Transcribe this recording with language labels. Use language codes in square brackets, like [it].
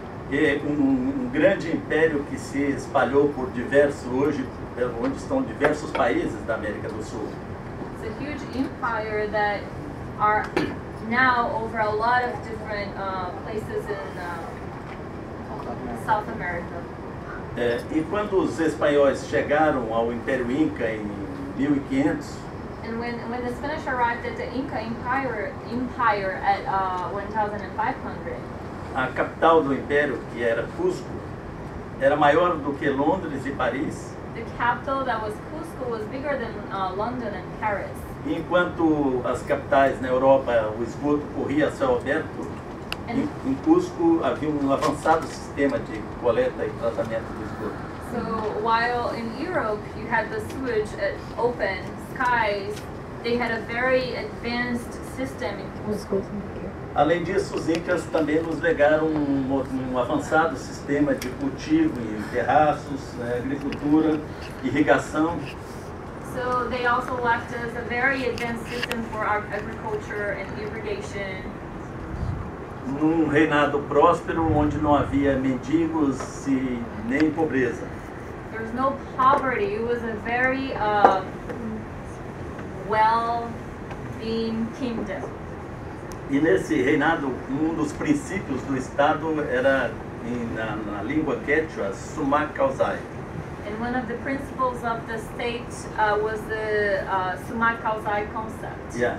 [pt] É um grande império que se espalhou por diversos, hoje, onde estão diversos países da América do Sul. [en] It's a huge empire that are now over a lot of different places in South America. [pt] E quando os espanhóis chegaram ao Império Inca em 1500, [en] and when the Spanish arrived at the Inca Empire at 1500, [pt] a capital do império, que era Cusco, era maior do que Londres e Paris. [en] The capital that was Cusco was bigger than London and Paris. [pt] E enquanto as capitais na Europa, o esgoto corria a céu aberto, em Cusco havia um avançado sistema de coleta e tratamento do esgoto. [en] So while in Europe you had the sewage open, they had a very advanced system. [pt] Além disso, os incas também nos legaram um avançado sistema de cultivo em terraços, agricultura, irrigação. [en] So they also left us a very advanced system for our agriculture and irrigation. [pt] Num reinado próspero onde não havia mendigos e nem pobreza. [en] There was no poverty. It was a very well-being kingdom. [pt] E nesse reinado, um dos princípios do Estado era, na língua quechua, suma causai. [en] And one of the principles of the state was the suma causai concept.